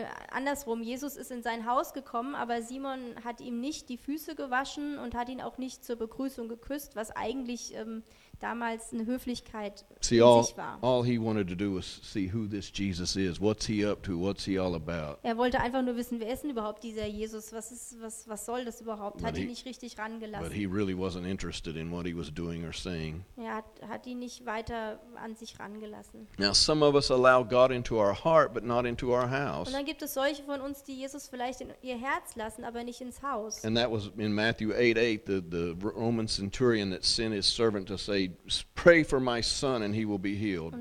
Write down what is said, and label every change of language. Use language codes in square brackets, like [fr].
[de] Andersrum, Jesus ist in sein Haus gekommen, aber Simon hat ihm nicht die Füße gewaschen und hat ihn auch nicht zur Begrüßung geküsst, was eigentlich damals eine Höflichkeit [en] see, in all, [de] sich war. [en] All he wanted to do was see who this Jesus is, what's he up to, what's he all about. [de] Er wollte einfach nur wissen, wer ist denn überhaupt dieser Jesus, was soll das überhaupt, hat ihn nicht richtig rangelassen. [en] But he really wasn't interested in what he was doing or saying. [de] Er hat ihn nicht weiter an sich rangelassen. [en] Now some of us allow God into our heart, but not into our house. [de] Und dann gibt es solche von uns, die Jesus vielleicht in ihr Herz lassen, aber nicht ins Haus. [en] And that was in Matthew 8:8, the Roman centurion that sent his servant to say, pray for my son and he will be healed.